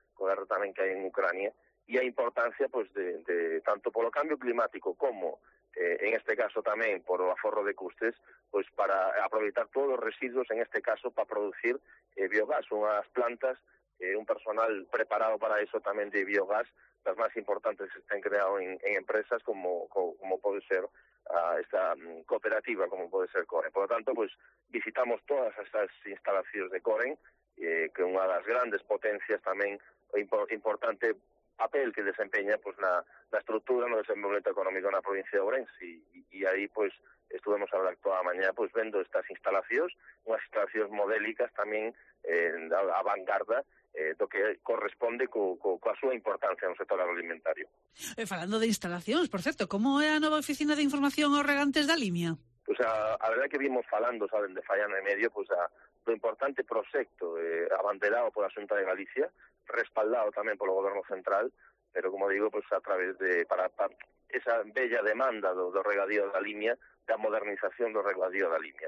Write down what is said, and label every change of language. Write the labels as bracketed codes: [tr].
[gl] guerra tamén que hai en Ucrania, e a importancia pues, de tanto polo cambio climático como, en este caso tamén, por o aforro de custes, pues, para aproveitar todos os residuos, en este caso, para producir biogás, unhas plantas, un personal preparado para eso tamén de biogás, [es] las más importantes que se han creado en empresas como puede ser esta cooperativa, como puede ser Coren. Por lo tanto, pues visitamos todas estas instalaciones de Coren, que es una de las grandes potencias también, importante papel que desempeña pues la estructura, no, el desenvolvimiento económico en la provincia de Ourense. Y ahí pues estuvimos a hablar toda la mañana pues viendo estas instalaciones, unas instalaciones modélicas también a vanguarda, [gl] do que corresponde coa súa importancia no sector agroalimentario. Falando de instalacións, por certo, como é a nova oficina de información aos regantes da Limia? Pues a verdade que vimos falando, saben, de Faiano e Medio, pues do importante proxecto abanderado pola Xunta de Galicia, respaldado tamén polo Goberno Central, pero como digo, pues a través de esa bella demanda do regadío da Limia, da modernización do regadío da Limia.